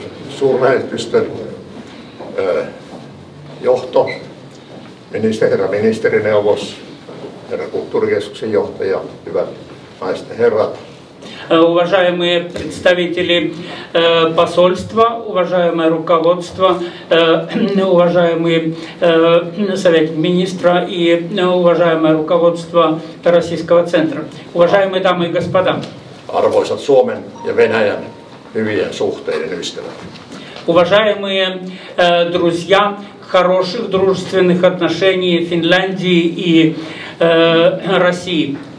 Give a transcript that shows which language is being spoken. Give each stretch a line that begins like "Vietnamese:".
Finnish: Suurlähetystön johto, herra ministerineuvos, herra kulttuurikeskuksen johtaja, hyvät naiset ja herrat.
Russian: Уважаемые представители посольства, уважаемое руководство, уважаемый совет министра и уважаемое руководство Российского центра, уважаемые дамы и господа.
Finnish: Arvoisat Suomen ja Venäjän hyvien suhteiden ystävät.
Russian: Уважаемые друзья хороших дружественных отношений Финляндии и России.